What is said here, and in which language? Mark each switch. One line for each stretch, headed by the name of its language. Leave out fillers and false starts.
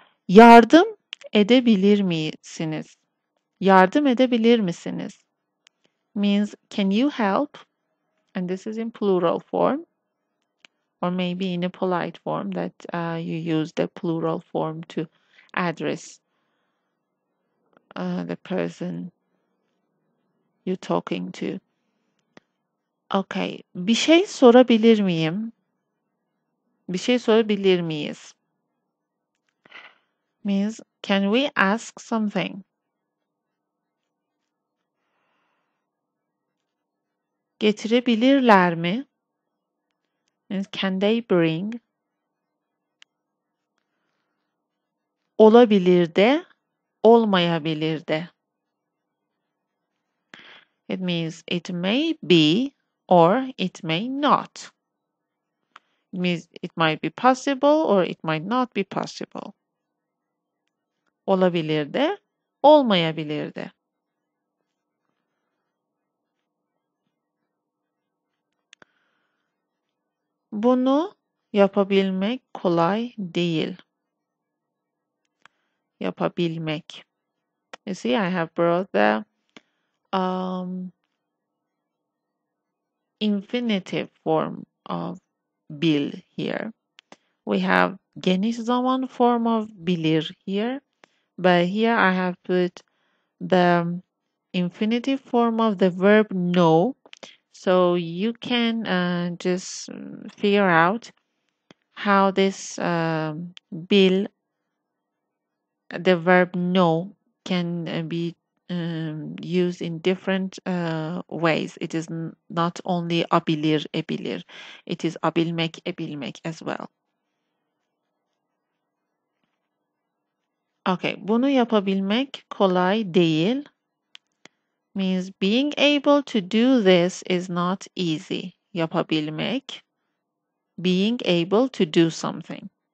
Turkish: Yardım edebilir misiniz? Yardım edebilir misiniz?
English: Means, can you help? And this is in plural form. Or maybe in a polite form that you use the plural form to address the person you're talking to. Okay.
Turkish: Bir şey sorabilir miyim? Bir şey sorabilir miyiz?
English: Means, can we ask something?
Turkish: Getirebilirler mi?
English: Means, can they bring?
Turkish: Olabilir de, olmayabilir de.
English: It means it may be or it may not. It means it might be possible or it might not be possible.
Turkish: Olabilir de, olmayabilir de. Bunu yapabilmek kolay değil. Yapabilmek.
English: You see, I have brought the infinitive form of bil here. We have
Turkish: geniş zaman
English: form of bilir here, but here I have put the infinitive form of the verb know. So you can just figure out how this bil, the verb know, can be used in different ways. It is not only abilir, ebilir. It is abilmek, ebilmek as well. Okay,
Turkish: bunu yapabilmek kolay değil
English: means being able to do this is not easy. Yapabilmek, being able to do something.